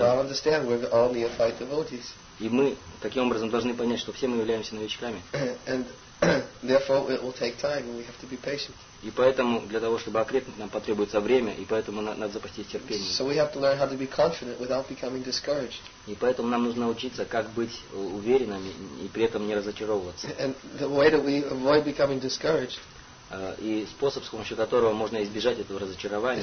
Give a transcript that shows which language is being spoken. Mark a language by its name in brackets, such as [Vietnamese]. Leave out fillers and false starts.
[English] we should all understand we're all neophyte devotees. [Russian] И мы таким образом должны понять, что все мы являемся новичками. [English] And therefore it will take time and we have to be patient. [Russian] И поэтому для того, чтобы окрепнуть, нам потребуется время, и поэтому надо запастись терпением. [English] So we have to learn how to be confident without becoming discouraged. [Russian] И поэтому нам нужно учиться, как быть уверенными и при этом не разочаровываться. [English] And the way that we avoid becoming discouraged. [Russian] И способ, с помощью которого можно избежать этого разочарования.